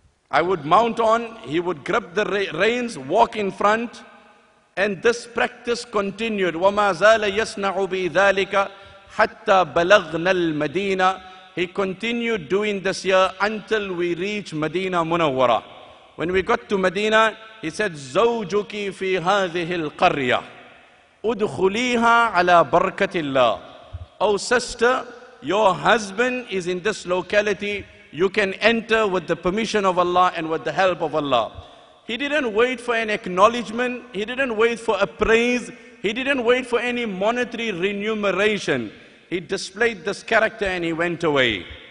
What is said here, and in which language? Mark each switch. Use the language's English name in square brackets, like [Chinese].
[English] I would mount on, he would grab the reins, walk in front, and this practice continued. [Arabic] وَمَا زَالَ يَسْنَعُ بِذَلِكَ حَتَّى بَلَغْنَا الْمَدِينَةِ. [English] He continued doing this year until we reached Medina Munawwara. When we got to Medina, he said, [Arabic] زَوْجُكِ فِي هَذِهِ الْقَرْيَةِ أُدْخُلِيهَا عَلَىٰ بَرْكَةِ اللَّهِ. [English] Oh sister, your husband is in this locality. You can enter with the permission of Allah and with the help of Allah. He didn't wait for an acknowledgement. He didn't wait for a praise. He didn't wait for any monetary remuneration. He displayed this character and he went away.